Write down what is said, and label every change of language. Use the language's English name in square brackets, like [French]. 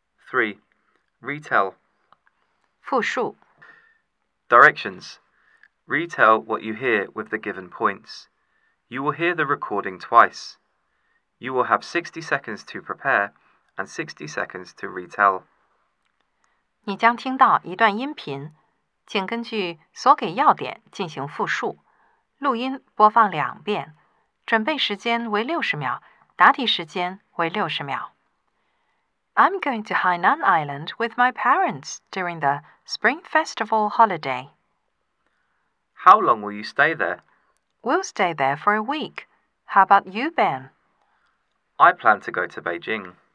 [English] 3. Retell. [Chinese] 复述。 [English] Directions. Retell what you hear with the given points. You will hear the recording twice. You will have 60 seconds to prepare and 60 seconds to retell. [Chinese] 你将听到一段音频，请根据所给要点进行复述。录音播放两遍，准备时间为60秒，答题时间为60秒。 [English] I'm going to Hainan Island with my parents during the Spring Festival holiday. How long will you stay there? We'll stay there for a week. How about you, Ben? I plan to go to Beijing.